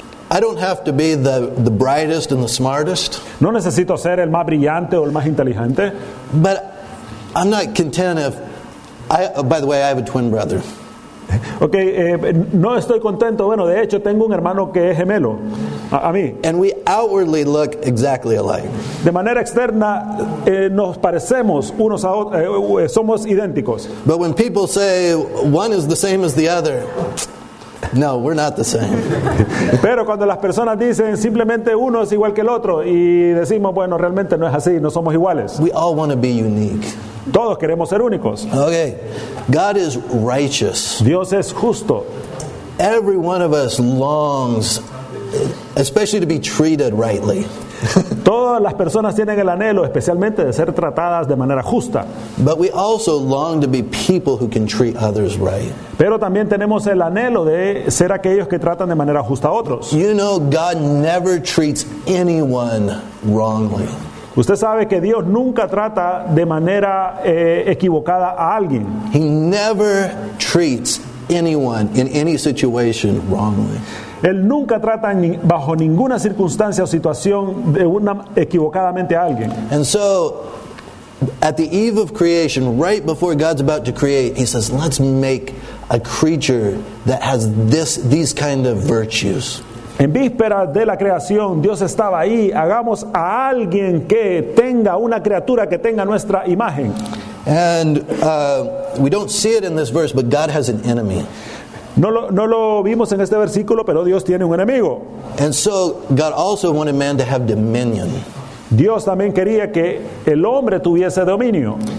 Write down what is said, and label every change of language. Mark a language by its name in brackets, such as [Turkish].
[English] I don't have to be the brightest and the smartest. [Spanish] No necesito ser el más brillante o el más inteligente. [English] But I'm not content if I, by the way, I have a twin brother. [Spanish] Okay, no estoy contento. Bueno, de hecho, tengo un hermano que es gemelo. A mí. [English] And we outwardly look exactly alike. [Spanish] De manera externa, nos parecemos unos a otros. Somos idénticos. [English] But when people say one is the same as the other, no, we're not the same. [Spanish] Pero cuando las personas dicen simplemente uno es igual que el otro y decimos, bueno, realmente no es así, no somos iguales. [English] We all want to be unique. [Spanish] Todos queremos ser únicos. [English] Okay. God is righteous. [Spanish] Dios es justo. [English] Every one of us longs, especially to be treated rightly. [Spanish] Todas las personas tienen el anhelo, especialmente de ser tratadas de manera justa. [English] But we also long to be people who can treat others right. [Spanish] Pero también tenemos el anhelo de ser aquellos que tratan de manera justa a otros. [English] You know, God never treats anyone wrongly. [Spanish] Usted sabe que Dios nunca trata de manera equivocada a alguien. [English] He never treats anyone in any situation wrongly. [Spanish] Él nunca trata bajo ninguna circunstancia o situación de una equivocadamente a alguien. [English] And so, at the eve of creation, right before God's about to create, he says, "Let's make a creature that has these kind of virtues." [Spanish] En víspera de la creación, Dios estaba ahí. Hagamos a alguien que tenga una criatura que tenga nuestra imagen. [English] And we don't see it in this verse, but God has an enemy. [Spanish] No lo vimos en este versículo, pero Dios tiene un enemigo. [English] And so God also wanted man to have dominion. [Spanish] Dios también quería que el hombre tuviese dominio.